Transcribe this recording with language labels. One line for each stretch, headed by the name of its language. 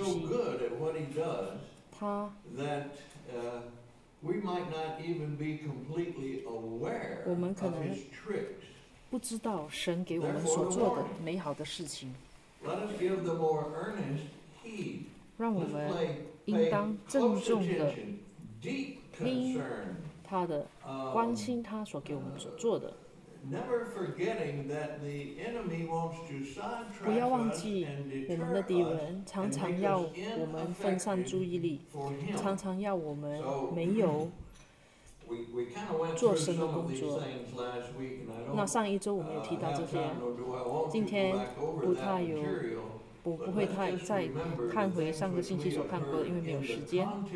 English: And he's so good at what he does that we might not even be completely aware of his tricks.
Chinese: 不知道神给我们所做的美好的事情。
English: Let us give the more earnest heed.
Chinese: 让我们应当郑重的。听他的，关心他所给我们所做的。
English: Never forgetting that the enemy wants to sidetrack us and deter us and make us ineffective for him. So we kind of went through some of these things last week, and I don't have time nor do I want to go back over that material.
Chinese: 我不会再看回上个星期所看过的，因为没有时间。